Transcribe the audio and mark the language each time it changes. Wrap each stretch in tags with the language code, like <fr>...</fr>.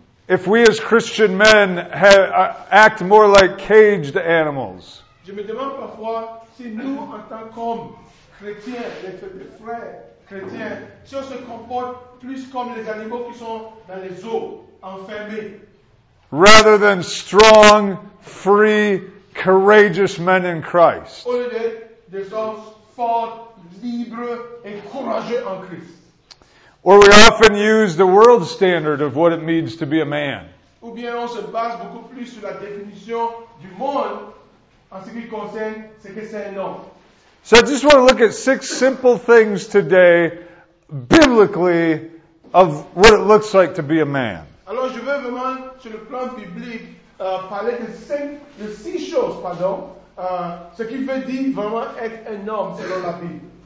<en>if we as Christian men act more like caged animals.</en> <fr>Je me demande parfois si nous, en tant qu'hommes chrétiens, les frères chrétiens, si on se comporte plus comme les animaux qui sont dans les zoos, enfermés.</fr> <en>Rather than strong, free, courageous men in Christ.</en> <fr>Au lieu d'être des hommes forts, libres et courageux en Christ.</fr> <en>Or we often use the world standard of what it means to be a man.</en> <fr>Ou bien on se base beaucoup plus sur la définition du monde en ce qui concerne ce que c'est un homme.</fr> <en>So I just want to look at six simple things today, biblically, of what it looks like to be a man.</en> <fr>Alors je veux vraiment, sur le plan biblique, parler de six choses, ce qui veut dire vraiment être un homme selon la Bible.</fr>